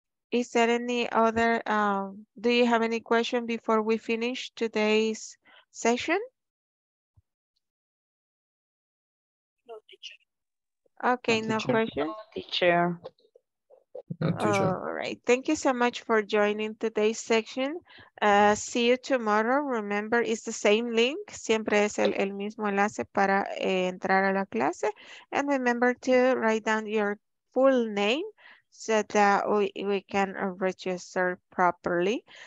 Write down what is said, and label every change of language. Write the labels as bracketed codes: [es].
[en] Is there any other, do you have any question before we finish today's session? No, teacher. Okay, no question. Teacher. All right. Thank you so much for joining today's section. See you tomorrow. Remember, it's the same link. [es] Siempre es el mismo enlace para entrar a la clase. [en] And remember to write down your full name so that we can register properly.